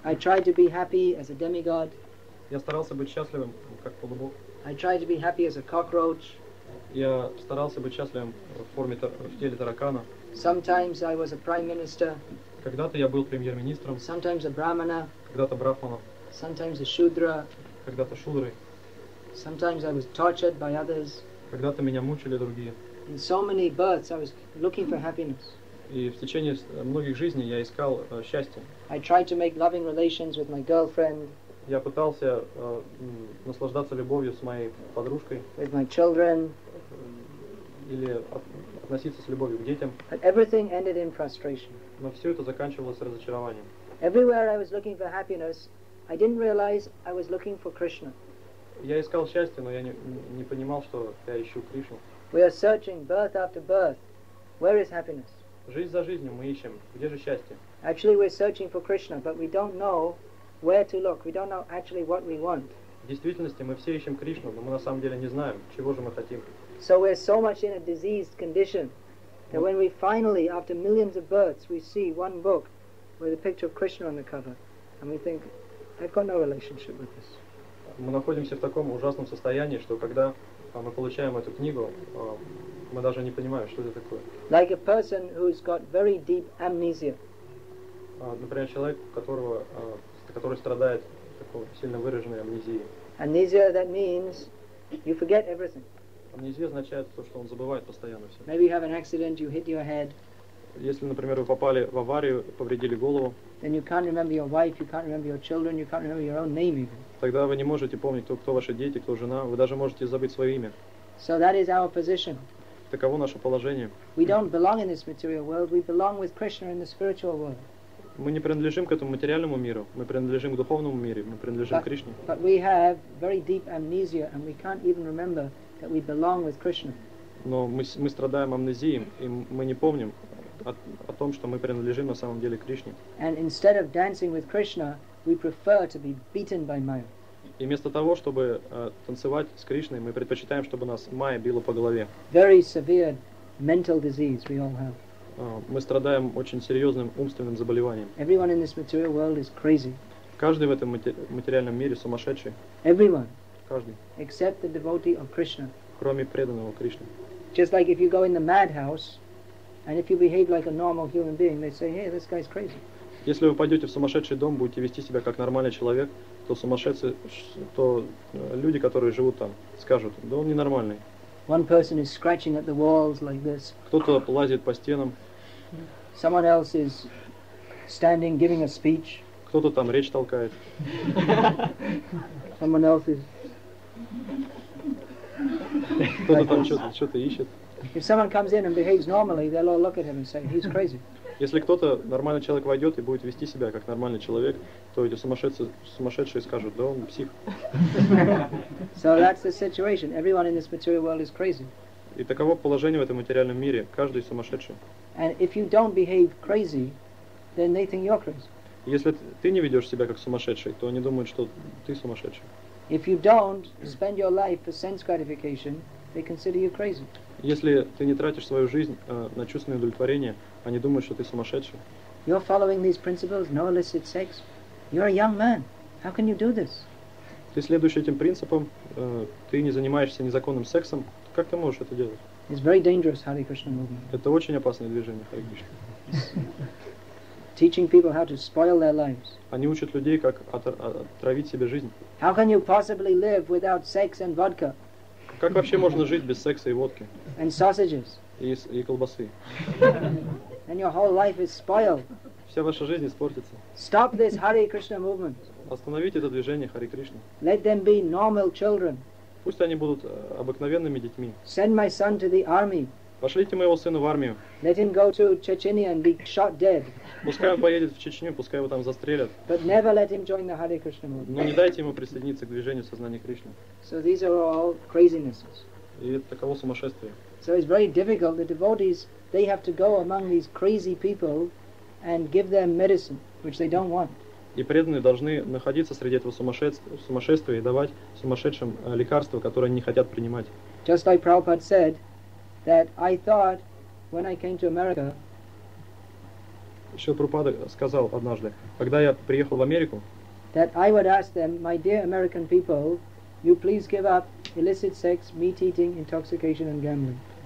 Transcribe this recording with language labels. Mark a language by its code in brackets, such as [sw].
[en] I tried to be happy as a demigod. [ru] Я старался быть счастливым, как полубог. [en] I tried to be happy as a cockroach. [ru] Я старался быть счастливым в теле таракана. [en] Sometimes I was a prime minister. [ru] Когда-то я был премьер-министром. [en] Sometimes a brahmana. [ru] Когда-то брахмана. [en] Sometimes a shudra. [ru] Когда-то шудрой. [en] Sometimes I was tortured by others. [ru] Когда-то меня мучили другие. [en] In so many births, I was looking for happiness. [ru] И в течение многих жизней я искал счастье. [en] I tried to make loving relations with my girlfriend. [ru] Я пытался наслаждаться любовью с моей подружкой. [en] With my children. [ru] Или относиться с любовью к детям. [en] But everything ended in frustration. [ru] Но все это заканчивалось разочарованием. [en] Everywhere I was looking for happiness, I didn't realize I was looking for Krishna. [ru] Я искал счастье, но я не понимал, что я ищу Кришну. [en] We are searching birth after birth. Where is happiness? [ru] Жизнь за жизнью мы ищем. Где же счастье? [en] Actually, we're searching for Krishna, but we don't know where to look. We don't know actually what we want. [ru] В действительности мы все ищем Кришну, но мы на самом деле не знаем, чего же мы хотим. [en] So we're so much in a diseased condition that when we finally, after millions of births, we see one book with a picture of Krishna on the cover, and we think, I've got no relationship with this. [ru] Мы находимся в таком ужасном состоянии, что когда мы получаем эту книгу, мы даже не понимаем, что это такое. [en] Like a person who's got very deep amnesia. [ru] Например, человек, который страдает такой сильно выраженной амнезией. [en] Amnesia, that means you forget everything. [ru] Амнезия означает то, что он забывает постоянно все. [en] Maybe you have an accident, you hit your head. [ru] Если, например, вы попали в аварию, повредили голову. [en] Then you can't remember your wife, you can't remember your children, you can't remember your own name even. [ru] Тогда вы не можете помнить, кто ваши дети, кто жена, вы даже можете забыть свое имя. [en] So that is our position. [ru] Таково наше положение. [en] We don't belong in this material world, we belong with Krishna in the spiritual world. [ru] Мы не принадлежим к этому материальному миру, мы принадлежим к духовному миру, мы принадлежим к Кришне. [en] But we have very deep amnesia and we can't even remember that we belong with Krishna. [ru] Но мы страдаем амнезией, и мы не помним о том, что мы принадлежим на самом деле Кришне. [en] And instead of dancing with Krishna, we prefer to be beaten by Maya. [ru] И вместо того, чтобы танцевать с Кришной, мы предпочитаем, чтобы нас Майя била по голове. [en] Very severe mental disease we all have. [ru] Мы страдаем очень серьезным умственным заболеванием. [en] Everyone in this material world is crazy. [ru] Каждый в этом материальном мире сумасшедший. [en] Everyone. [ru] Каждый. [en] Except the devotee of Krishna. [ru] Кроме преданного Кришны. [en] Just like if you go in the madhouse, and if you behave like a normal human being, they say, hey, this guy's crazy. [ru] Если вы пойдете в сумасшедший дом, будете вести себя как нормальный человек, то сумасшедшие, то люди, которые живут там, скажут, да он ненормальный. [en] One person is scratching at the walls like this. [ru] Кто-то лазит по стенам. [en] Someone else is standing, giving a speech. [ru] Кто-то там речь толкает. [en] Someone else is... [ru] Кто-то там что-то ищет. [en] If someone comes in and behaves normally, they'll all look at him and say, he's crazy. [ru] Если кто-то, нормальный человек, войдет и будет вести себя как нормальный человек, то эти сумасшедшие скажут, да он псих. [en] So that's the situation. Everyone in this material world is crazy. [ru] И таково положение в этом материальном мире. Каждый сумасшедший. [en] And if you don't behave crazy, then they think you're crazy. [ru] Если ты не ведешь себя как сумасшедший, то они думают, что ты сумасшедший. [en] If you don't spend your life for sense gratification, they consider you crazy. [ru] Если ты не тратишь свою жизнь на чувственное удовлетворение, они думают, что ты сумасшедший. [en] You're following these principles, no illicit sex. You're a young man. How can you do this? [ru] Ты следуешь этим принципам, ты не занимаешься незаконным сексом. Как ты можешь это делать? [en] It's very dangerous, Hare Krishna movement. [ru] Это очень опасное движение, Hare Krishna. [en] Teaching people how to spoil their lives. [ru] Они учат людей, как отравить себе жизнь. [en] How can you possibly live without sex and vodka? [ru] Как вообще можно жить без секса и водки? [en] And sausages. [ru] И колбасы. [en] And your whole life is spoiled. [ru] Вся ваша жизнь испортится. [en] Stop this Hare Krishna movement. [ru] Остановите это движение Hare Krishna. [en] Let them be normal children. [ru] Пусть они будут обыкновенными детьми. [en] Send my son to the army. [ru] Пошлите моего сына в армию. [en] Let him go to Chechnya and be shot dead. [ru] Пускай он поедет в Чечню, пускай его там застрелят. [en] But never let him join the Hare Krishna movement. [ru] Но не дайте ему присоединиться к движению сознания Кришны. [en] So these are all crazinesses. [ru] И это таково сумасшествие. [en] So it's very difficult. The devotees, they have to go among these crazy people and give them medicine, which they don't want. [ru] И преданные должны находиться среди этого сумасшествия и давать сумасшедшим лекарства, которые они не хотят принимать. [en] Just like Prabhupada said, that I thought when I came to America. [ru] Шрила Прабхупада сказал однажды, когда я приехал в Америку, [en] that I would ask them, my dear American people, you please give up illicit sex, meat eating, intoxication and gambling.